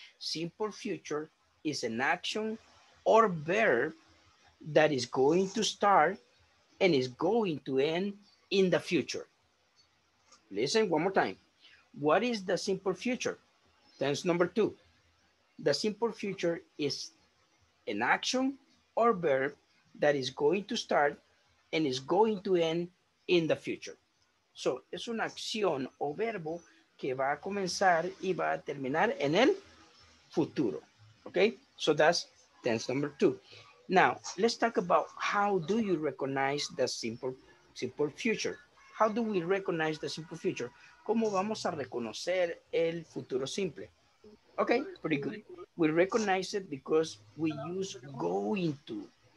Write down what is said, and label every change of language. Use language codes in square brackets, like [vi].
[en] Simple future is an action or verb that is going to start and is going to end in the future. Listen one more time. What is the simple future? Tense number two. The simple future is an action or verb that is going to start and is going to end in the future. [es] So, es una acción o verbo que va a comenzar y va a terminar en el futuro. [en] Okay? So, that's tense number two. Now, let's talk about how do you recognize the simple future. How do we recognize the simple future? [es] ¿Cómo vamos a reconocer el futuro simple? [en] Okay, pretty good. We recognize it because we use going to.